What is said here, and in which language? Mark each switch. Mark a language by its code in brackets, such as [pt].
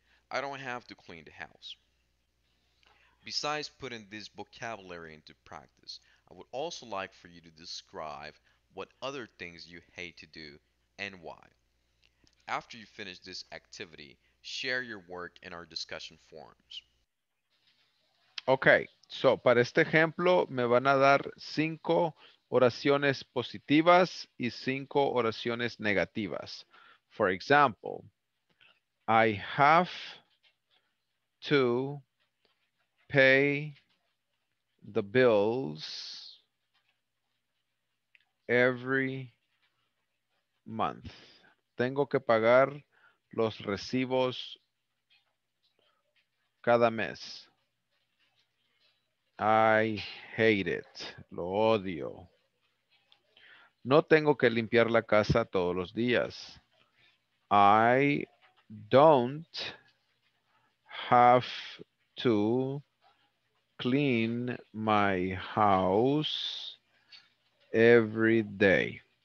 [en] I don't have to clean the house. Besides putting this vocabulary into practice, I would also like for you to describe what other things you hate to do and why. After you finish this activity, share your work in our discussion forums. [es] Okay, so para este ejemplo, me van a dar 5 oraciones positivas y 5 oraciones negativas. [en] For example, I have to pay the bills every month. [es] Tengo que pagar los recibos cada mes. [en] I hate it. [es] Lo odio. No tengo que limpiar la casa todos los días. [en] I don't have to clean my house every day.